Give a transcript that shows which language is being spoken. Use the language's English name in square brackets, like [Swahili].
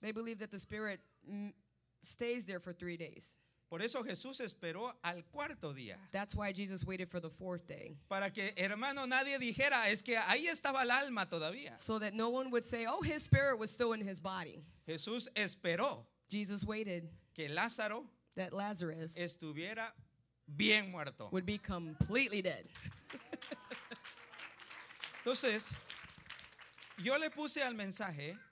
[English] They believe that the spirit stays there for 3 days. [Spanish] Por eso Jesús esperó al cuarto día. [English] That's why Jesus waited for the fourth day. [Spanish] Para que, hermano, nadie dijera, es que ahí estaba el alma todavía. [English] So that no one would say, oh, his spirit was still in his body. [Spanish] Jesús esperó. [English] Jesus waited. [Spanish] Que Lázaro, [English] that Lazarus, [Spanish] estuviera bien muerto, [English] would be completely dead. [Spanish] Entonces, yo le puse al mensaje,